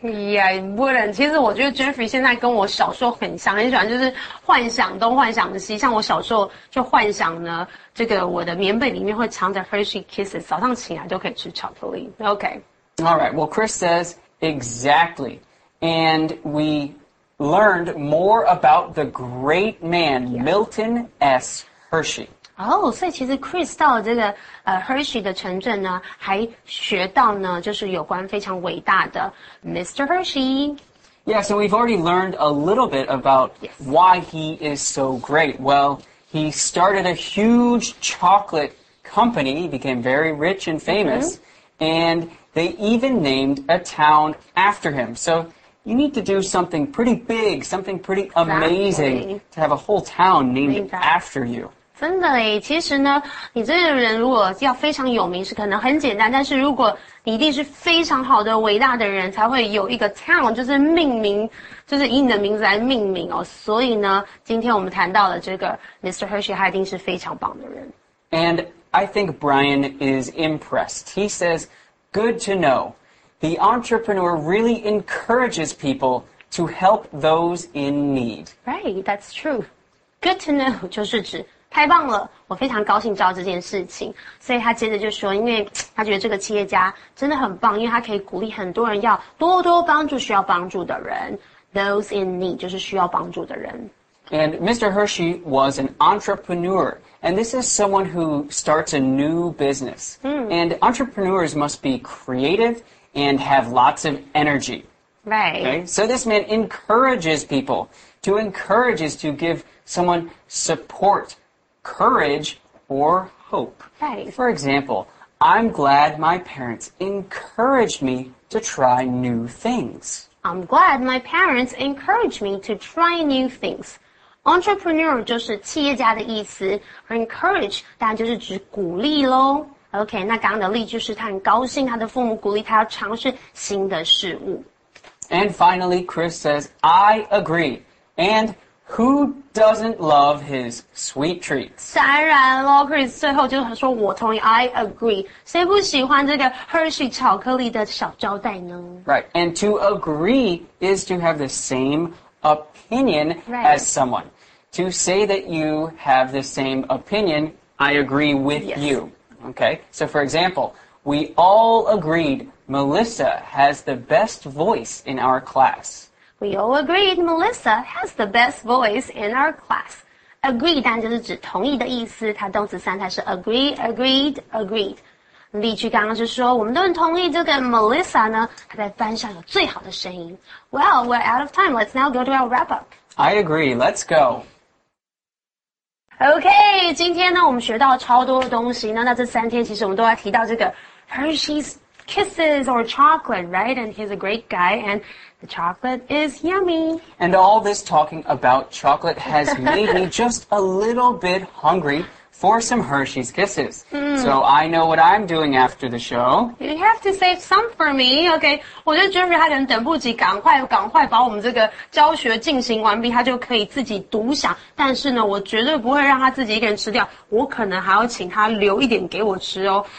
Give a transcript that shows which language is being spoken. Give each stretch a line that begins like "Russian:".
English: Yeah, it wouldn't.
Chinese: 其实我觉得 Jeffrey 现在跟我小时候很像，很喜欢就是幻想东幻想西。像我小时候就幻想呢，这个我的棉被里面会藏着 Hershey Kisses， 早上起来都可以吃巧克力。
English: Okay. All right. Well, Chris says exactly, and we learned more about the great man Milton S. Hershey.
Chinese: 哦、oh, ，所以其实 Chris 到了这个Hershey 的城镇呢，还学到呢，就是有关非常伟大的 Mr. Hershey.
English: Yeah, so we've already learned a little bit about why he is so great. Well, he started a huge chocolate company, became very rich and famous,and they even named a town after him. So you need to do something pretty big, something pretty amazing to have a whole town named after you.
Chinese: 真的耶，其实呢，你这个人如果要非常有名，是可能很简单，但是如果你一定是非常好的、伟大的人，才会有一个 town， 就是命名，就是以你的名字来命名哦。所以呢，今天我们谈到了这个 Mr. Hershey， 他一定是非常棒的人。
English: And I think Brian is impressed. He says, good to know. The entrepreneur really encourages people to help those in need. Right, that's true. Good to know
Chinese: 就是指太棒了，我非常高兴知道这件事情。所以他接着就说，因为他觉得这个企业家真的很棒，因为他可以鼓励很多人要多多帮助需要帮助的人。
English: Those in need
Chinese: 就是需要帮助的人。
English: And Mr. Hershey was an entrepreneur. And this is someone who starts a new business. And entrepreneurs must be creative and have lots of energy. Right. Okay? So this man encourages people. To encourage is to give someone support. Courage or hope. Right. For example, I'm glad my parents encouraged me to try new things. I'm glad my parents encouraged me to try new things.
Chinese: Entrepreneur 就是企业家的意思 ，encourage 当然就是指鼓励喽。 OK， 那刚刚的例句是他很高兴他的父母鼓励他要尝试新的事物。
English: And finally, Chris says, "I agree." And Who doesn't love his sweet treats?
Chinese: 当然了 Chris 最后就说我同意
English: I agree.
Chinese: 谁不喜欢这个 Hershey 巧克力的小招待呢
English: Right, and to agree is to have the same opinion as someone. To say that you have the same opinion, I agree with you. Okay, so for example, we all agreed Melissa has the best voice in our class. We all agreed Melissa has the best voice in our class.
Chinese: Agree 当然就是指同意的意思，它动词三态是
English: agree, agreed, agreed.
Chinese: 例句刚刚是说我们都很同意这个 Melissa 呢，她在班上有最好的声音。
English: Well, we're out of time. Let's now go to our wrap up. I agree. Let's go.
Chinese: Okay, 今天呢我们学到超多的东西呢。那这三天其实我们都在提到这个
English: Hershey's Kisses or chocolate, right? And he's a great guy and... The chocolate is yummy. And all this talking about chocolate has made me just a little bit hungry. for some Hershey's Kisses. Mm. So I know what I'm doing after the show. You have to save some for me, okay?
Chinese: 我觉得 Jeffrey 他可能等不及，赶快赶快把我们这个教学进行完毕，他就可以自己独享。但是呢，我绝对不会让他自己一个人吃掉，我可能还要请他留一点给我吃哦。